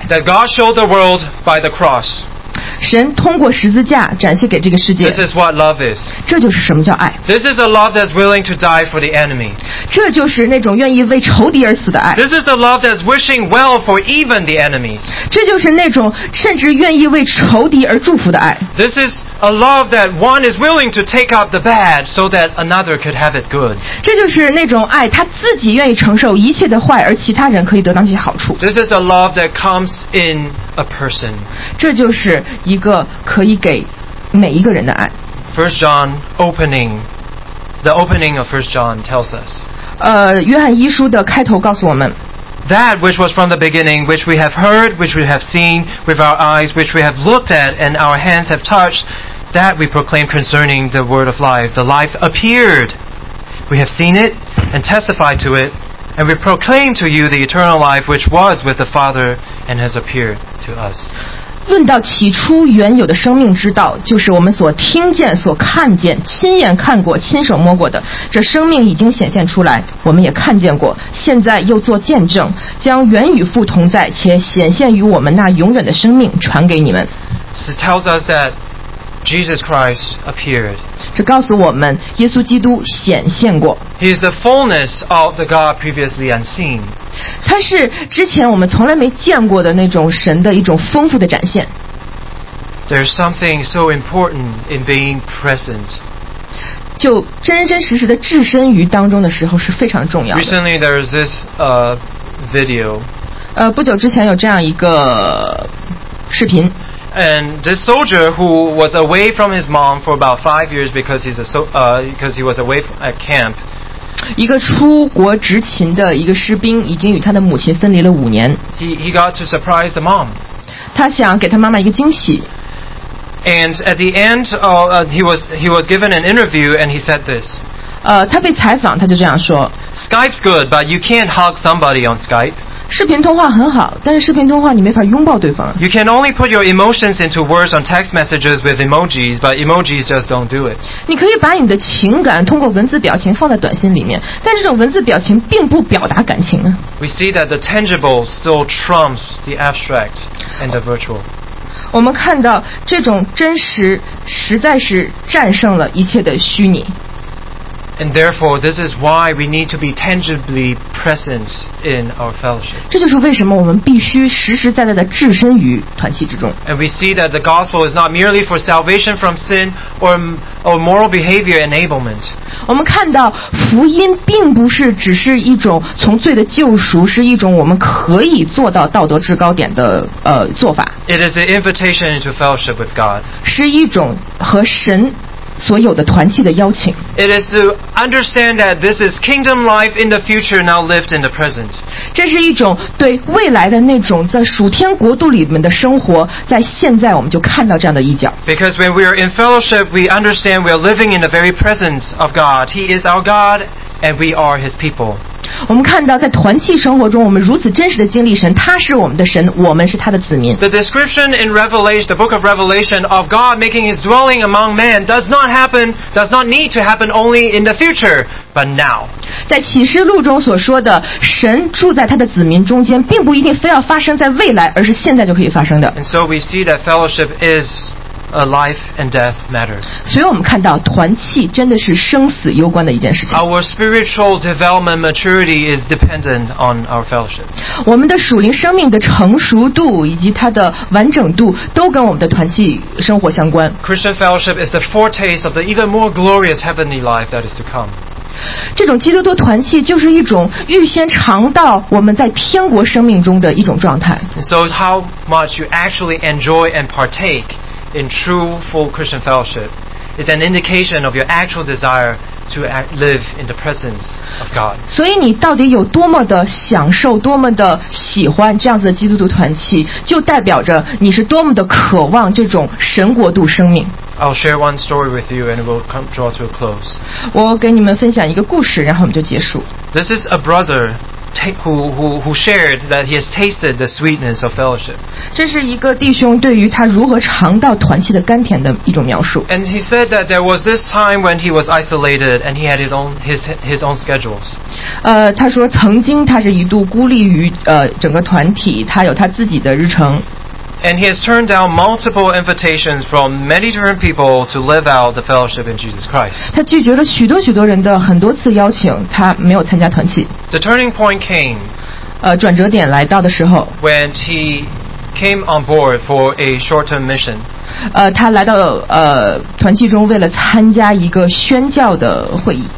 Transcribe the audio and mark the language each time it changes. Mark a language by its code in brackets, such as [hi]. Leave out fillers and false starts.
[en] That God showed the world by the cross [zh] 神通过十字架展现给这个世界。 [en] This is what love is. [zh] 这就是什么叫爱。 [en] This is a love that's willing to die for the enemy. [zh] 这就是那种愿意为仇敌而死的爱。 [en] This is a love that's wishing well for even the enemies. [zh] 这就是那种甚至愿意为仇敌而祝福的爱。 [en] This is a love that one is willing to take up the bad so that another could have it good. [zh] 这就是那种爱，他自己愿意承受一切的坏，而其他人可以得到那些好处。 [en] This is a love that comes in a person. [zh] 这就是一个可以给每一个人的爱。 [en] First John opening, the opening of First John tells us. [zh] 约翰一书的开头告诉我们。 [en] That which was from the beginning, which we have heard, which we have seen with our eyes, which we have looked at, and our hands have touched, that we proclaim concerning the word of life. The life appeared. We have seen it and testified to it, and we proclaim to you the eternal life which was with the Father and has appeared to us. [zh] 论到起初原有的生命之道，就是我们所听见、所看见、亲眼看过、亲手摸过的。这生命已经显现出来，我们也看见过，现在又做见证，将原与父同在且显现于我们那永远的生命传给你们。 [en] This tells us that Jesus Christ appeared. [zh] 这告诉我们，耶稣基督显现过。 [en] He is the fullness of the God previously unseen. [zh] 他是之前我们从来没见过的那种神的一种丰富的展现。 [en] There's something so important in being present. [zh] 就真真实实的置身于当中的时候是非常重要的。 [en] Recently, there is this video. [zh] 不久之前有这样一个视频。 [en] And this soldier who was away from his mom for about 5 years because he was away at camp. [zh] 一个出国执勤的一个士兵已经与他的母亲分离了五年。 [en] He got to surprise the mom. [zh] 他想给他妈妈一个惊喜。 [en] And at the end, he was given an interview and he said this. [zh] 他被采访，他就这样说。 [en] Skype's good, but you can't hug somebody on Skype. [zh] 视频通话很好，但是视频通话你没法拥抱对方。 [en] You can only put your emotions into words on text messages with emojis, but emojis just don't do it. [zh] 你可以把你的情感通过文字表情放在短信里面，但这种文字表情并不表达感情啊。 [en] We see that the tangible still trumps the abstract and the virtual. [zh] 我们看到这种真实实在是战胜了一切的虚拟。 [en] And therefore, this is why we need to be tangibly present in our fellowship. [zh] 这就是为什么我们必须实实在在的置身于团契之中。 [en] And we see that the gospel is not merely for salvation from sin or moral behavior enablement. [zh] 我们看到福音并不是只是一种从罪的救赎，是一种我们可以做到道德制高点的做法。 [en] It is an invitation into fellowship with God. [zh] 是一种和神。所有的团契的邀请。 [en] It is to understand that this is kingdom life in the future now lived in the present. [zh] 这是一种对未来的那种在属天国度里面的生活，在现在我们就看到这样的一角。 [en] Because when we are in fellowship, we understand we are living in the very presence of God. He is our God, and we are His people. [zh] 我们看到在团契生活中我们如此真实的经历神他是我们的神我们是他的子民 [en] The description in Revelation, the book of Revelation of God making his dwelling among man does not happen, does not need to happen only in the future, but now [zh] 在启示录中所说的神住在他的子民中间并不一定非要发生在未来而是现在就可以发生的 [en] And so we see that fellowship is a life and death matter [zh] 所以我们看到团契真的是生死攸关的一件事情 [en] Our spiritual development maturity is dependent on our fellowship [zh] 我们的属灵生命的成熟度以及它的完整度都跟我们的团契生活相关 [en] Christian fellowship is the foretaste of the even more glorious heavenly life that is to come [zh] 这种基督徒团契就是一种预先尝到我们在天国生命中的一种状态 [en] So how much you actually enjoy and partakeIn true full Christian fellowship is an indication of your actual desire to live in the presence of God. [zh] 所以你到底有多么的享受，多么的喜欢这样子的基督徒团契，就代表着你是多么的渴望这种神国度生命。 [en] I'll share one story with you, and it will come draw to a close. [zh] 我给你们分享一个故事，然后我们就结束。 [en] This is a brother. Who shared that he has tasted the sweetness of fellowship. [zh] 这是一个弟兄对于他如何尝到团契的甘甜的一种描述。 [en] And he said that there was this time when he was isolated and he had his own schedules. [zh] 他说曾经他是一度孤立于整个团体，他有他自己的日程。 [en] And he has turned down multiple invitations from many different people to live out the fellowship in Jesus Christ. [zh] 他拒绝了许多许多人的很多次邀请，他没有参加团契。 [en] The turning point came. [zh] 转折点来到的时候。 [en] When he came on board for a short-term mission. [zh] 他来到团契中为了参加一个宣教的会议。